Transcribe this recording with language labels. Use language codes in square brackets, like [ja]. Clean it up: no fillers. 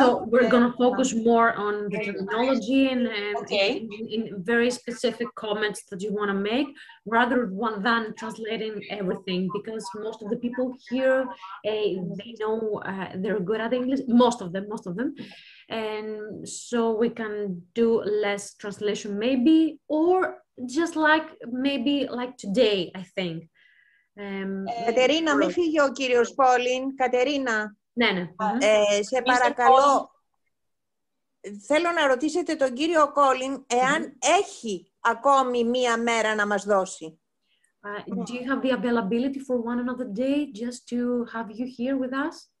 [en] So we're going to focus more on the terminology and in very specific comments that you want to make, rather than translating everything, because most of the people here, they know they're good at English, most of them. And so we can do less translation maybe, or just like maybe like today, I think. [el] Κατερίνα, μη φύγει ο κύριος Πόλιν. Κατερίνα, ναι, ναι. Σε παρακαλώ. Θέλω να ρωτήσετε τον κύριο Κόλιν εάν έχει ακόμη μία μέρα να μας δώσει. [en] Do you have the availability for one another day just to have you here with us?